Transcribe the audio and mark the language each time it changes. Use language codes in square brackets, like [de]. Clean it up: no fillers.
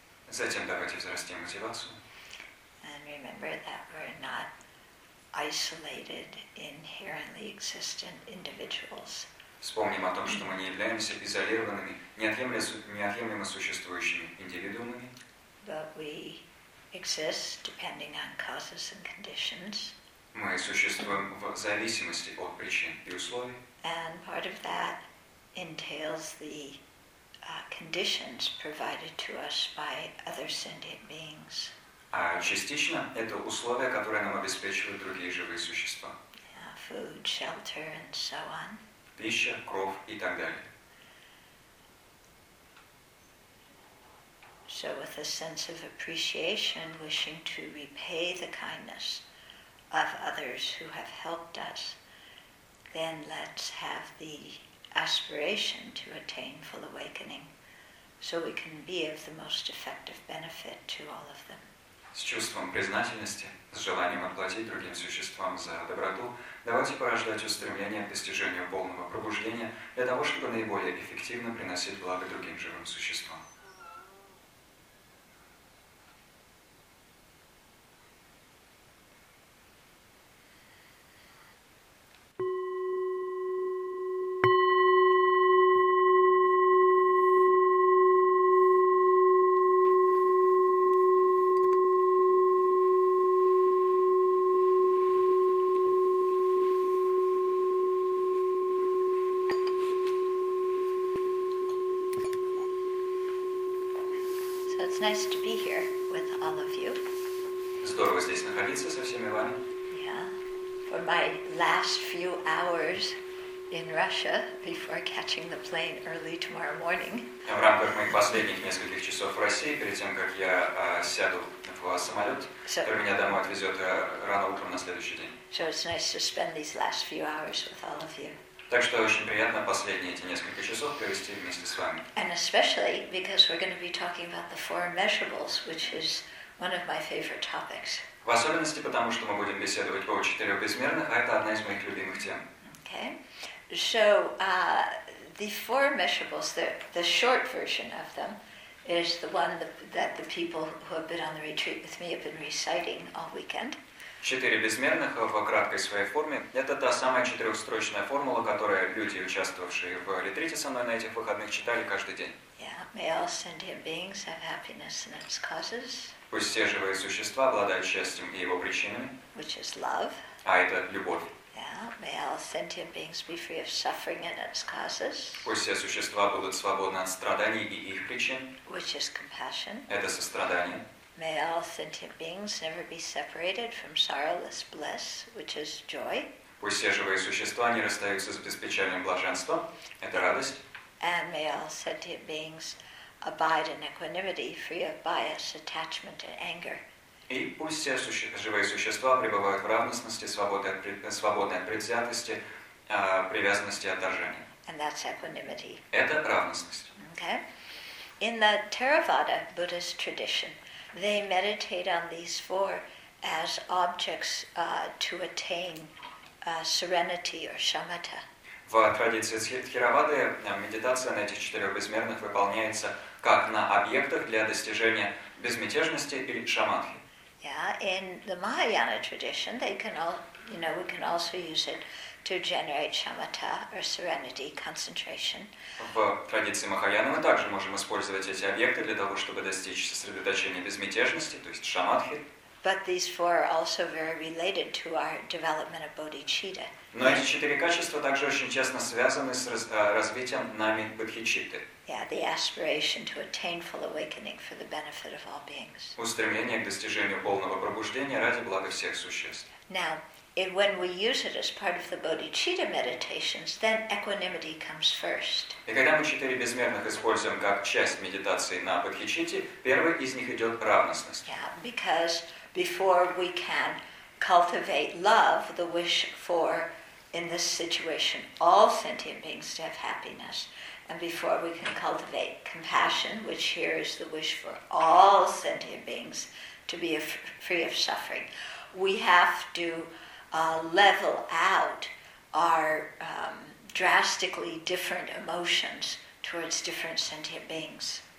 [ru] Затем давайте взрастим мотивацию. [en] And remember that we're not isolated, inherently existent individuals. [ru] Вспомним о том, что мы не являемся изолированными, неотъемлемо существующими индивидуумами. [en] But we exist depending on causes and conditions. [ru] Мы существуем в зависимости от причин и условий. [en] And part of that entails the conditions provided to us by other sentient beings. [ru] Частично это условия, которые нам обеспечивают другие живые существа. [en] Food, shelter, and so on. [ru] Пища, кров и так далее. [en] So with a sense of appreciation, wishing to repay the kindness of others who have helped us, then let's have the aspiration to attain full awakening, so we can be of the most effective benefit to all of them. [ru] С чувством признательности, с желанием отплатить другим существам за доброту, давайте порождать устремление к достижению полного пробуждения для того, чтобы наиболее эффективно приносить благо другим живым существам. [en] Nice to be here with all of you. [ru] Здорово здесь находиться со всеми вами. [en] Yeah. For my last few hours in Russia before catching the plane early tomorrow morning. [ru] В рамках моих последних нескольких часов в России, перед тем, как я сяду в самолет, который меня домой отвезет рано утром на следующий день. [en] So it's nice to spend these last few hours with all of you. [ru] Так что очень приятно последние эти несколько часов провести вместе с вами. [en] And especially because we're going to be talking about the four immeasurables, which is one of my favorite topics. [ru] В особенности потому, что мы будем беседовать о четырех безмерных, а это одна из моих любимых тем. [en] Okay. So, The four measurables, the short version of them, is the one that the people who have been on the retreat with me have been reciting all weekend. [ru] Четыре безмерных в краткой своей форме – это та самая четырехстрочная формула, которую люди, участвовавшие в ретрите со мной на этих выходных, читали каждый день. [en] Yeah, may all sentient beings have happiness and its causes. [ru] Пусть все живые существа обладают счастьем и его причинами. [en] Which is love. [ru] А это любовь. [en] Yeah, may all sentient beings be free of suffering and its causes. [ru] Пусть все существа будут свободны от страданий и их причин. [en] Which is compassion. [ru] Это сострадание. [en] May all sentient beings never be separated from sorrowless bliss, which is joy. [ru] Пусть все живые существа не расстаются с беспечальным блаженством. Это радость. [en] And may all sentient beings abide in equanimity, free of bias, attachment, and anger. [ru] И пусть все живые существа пребывают в равностности, свободны от предвзятости, привязанности и отторжения. [en] And that's equanimity. [ru] Это равностность. [en] Okay. In the Theravada Buddhist tradition, they meditate on these four as objects to attain serenity or shamatha. [ru] В традиции Тхеравады медитация на этих четырех безмерных выполняется как на объектах для достижения безмятежности или шамадхи. [en] Yeah, in the Mahayana tradition, they can all, you know, we can also use it to generate shamatha or serenity, concentration. [ru] В традиции Махаяны мы также можем использовать эти объекты для того, чтобы достичь сосредоточения безмятежности, то есть шамадхи. [en] But these four are also very related to our development of bodhicitta. [ru] Но эти четыре качества также очень тесно связаны с развитием нами бодхичитты. [en] Yeah, the aspiration to attain full awakening for the benefit of all beings. [ru] Устремление к достижению полного пробуждения ради блага всех существ. [en] Now, when we use it as part of the bodhicitta meditations, then equanimity comes first. [ru] И когда мы четыре безмерных используем как часть медитации на бодхичитте, первой из них идет равностность. [en] Yeah, because before we can cultivate love, the wish for, in this situation, all sentient beings to have happiness, and before we can cultivate compassion, which here is the wish for all sentient beings to be free of suffering, we have to level out our drastically different emotions towards different sentient beings.